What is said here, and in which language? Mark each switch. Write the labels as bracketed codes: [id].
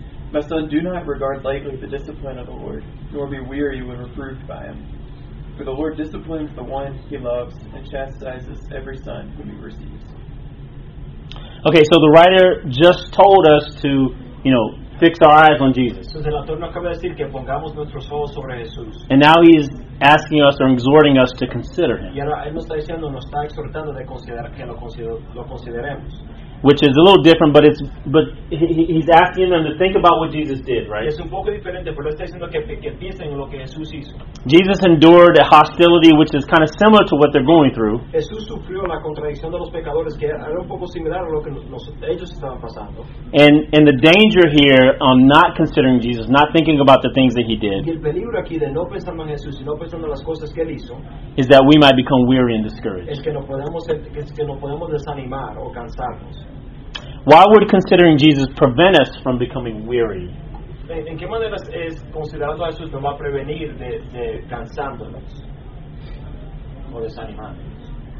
[en] My son, do not regard lightly the discipline of the Lord, nor be weary when reproved by him. For the Lord disciplines the one he loves and chastises every son whom he receives. Okay, so the writer just told us to, you know, fix our eyes on Jesus. [es] Entonces, el autor nos acaba de decir que pongamos nuestros ojos sobre Jesús. [en] And now he is asking us or exhorting us to consider him. [es] Y ahora él nos está diciendo, nos está exhortando de considerar que lo consideremos. [en] Which is a little different, but it's but he's asking them to think about what Jesus did, right? [es] Es un poco diferente, pero está diciendo que piensen en lo que Jesús hizo. [en] Jesus endured a hostility which is kind of similar to what they're going through. [es] Jesús sufrió la contradicción de los pecadores que era un poco similar a lo que ellos estaban pasando. [en] And the danger here on not considering Jesus, not thinking about the things that he did. [es] Y el peligro aquí de no pensando en Jesús y no pensando en las cosas que él hizo. [en] Is that we might become weary and discouraged. [es] Es que no podemos desanimar o cansarnos. [en] Why would considering Jesus prevent us from becoming weary? [es] ¿En qué manera es considerando a Jesús nos va a prevenir de cansándonos o desanimándonos?